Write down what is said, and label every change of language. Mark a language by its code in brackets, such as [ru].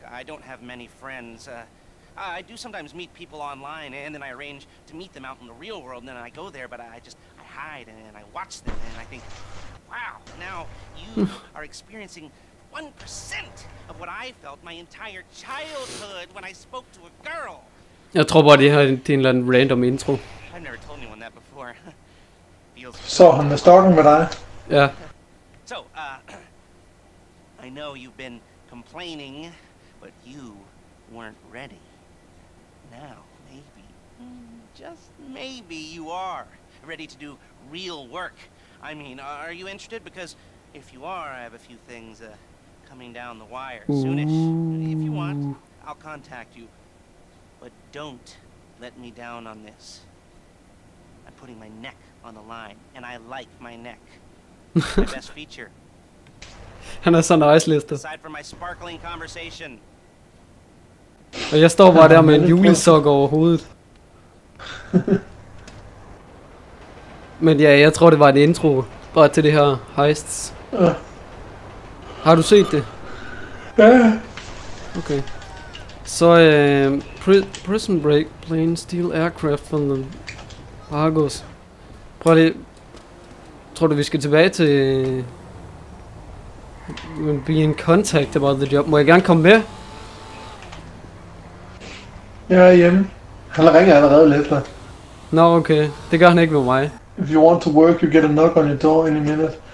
[en] I don't have many friends. I do sometimes meet people online and then I arrange to meet them out in the real world and then I go there but I hide and I watch them and I think wow, now you are experiencing 1% of what I felt my entire childhood when I spoke to a girl. [da] Jeg tror bare det her er en eller anden random intro. [en] I've never told anyone that before. [da] Så han er stalking med dig. Ja. [en] So, I know you've been complaining, but you weren't ready. Now, maybe, just maybe you are ready to do real work. I mean, are you interested? Because if you are, I have a few things coming down the wire soonish. If you want, I'll contact you. But don't let me down on this. I'm putting my neck on the line, and I like my neck. My best feature. [da] Han er så nice-listet. [en] Aside from my sparkling conversation. [da] Og jeg står bare der med en julesok over hovedet. Men ja, jeg tror det var en intro bare til det her heists. Har du set det? Ja. Okay. Så Prison Break Plane Steal Aircraft from the Argos. Prøv lige. Tror du vi skal tilbage til [en] be in contact about the job? [da] Må jeg gerne komme med? Jeg er hjemme. Han ringer allerede lidt efter. Nå, okay. Det gør han ikke med mig. [en] If you want to work, you get a knock on your door in a minute.